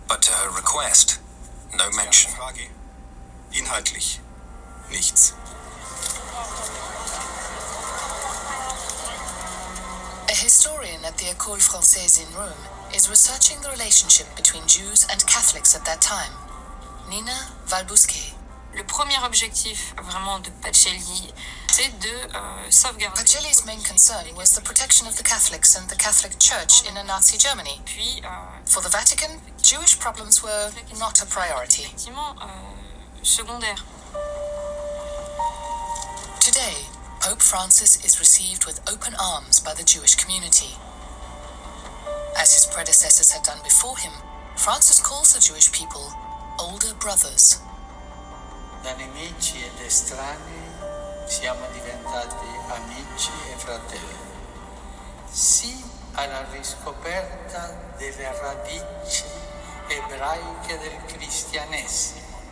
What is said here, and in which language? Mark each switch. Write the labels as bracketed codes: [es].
[en] But to her request, no mention. [de] Inhaltlich nichts. [en] A historian at the École Française in Rome is researching the relationship between Jews and Catholics at that time. Nina Valbusque. [fr] Le premier objectif vraiment de Pacelli, c'est de sauvegarder. [en] Pacelli's main concern was the protection of the Catholics and the Catholic Church in a Nazi Germany. [fr] Puis, [en] for the Vatican, Jewish problems were not a priority. [fr] Effectivement, secondaire. [en] Today, Pope Francis is received with open arms by the Jewish community. As his predecessors had done before him, Francis calls the Jewish people older brothers. [it] Da nemici ed estranei siamo diventati amici e fratelli. Sì alla riscoperta delle radici ebraiche del cristianesimo.